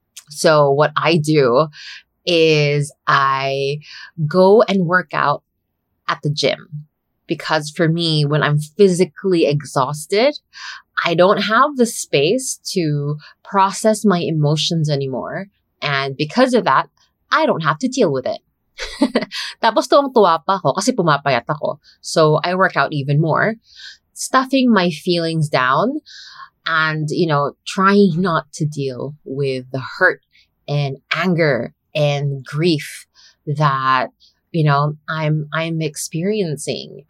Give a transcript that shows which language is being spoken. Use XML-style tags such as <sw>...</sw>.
<en>So what I do is I go and work out at the gym, because for me, when I'm physically exhausted, I don't have the space to process my emotions anymore. And because of that, I don't have to deal with it.</en> <tl>Tapos tuwang-tuwa pa ako kasi pumapayat ako.</tl> <en>So I work out even more, stuffing my feelings down, and, you know, trying not to deal with the hurt and anger and grief that, you know, I'm experiencing.</en>